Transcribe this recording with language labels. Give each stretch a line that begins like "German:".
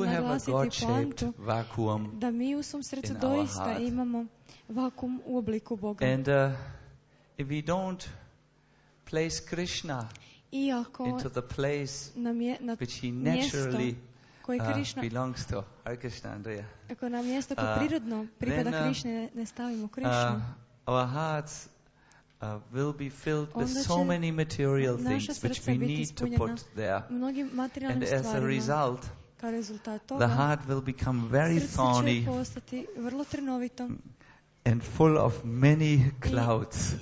English: we do have a God-shaped vacuum
Croatian: da mi u svom srcu doista imamo vakum u obliku Boga.
English: And if we don't place Krishna into the place which he naturally belongs to, Hare Krishna, Andrea,
Croatian: ako na mjesto koje prirodno pripada Krishna ne stavimo Krishna,
English: our hearts will be filled with so many material things which we need to put there.
Croatian: Mnogim materijalnim stvarima.
English: And as a result,
Croatian: kao rezultat toga,
English: the heart will become very thorny
Croatian: vrlo trnovito
English: and full of many clouds.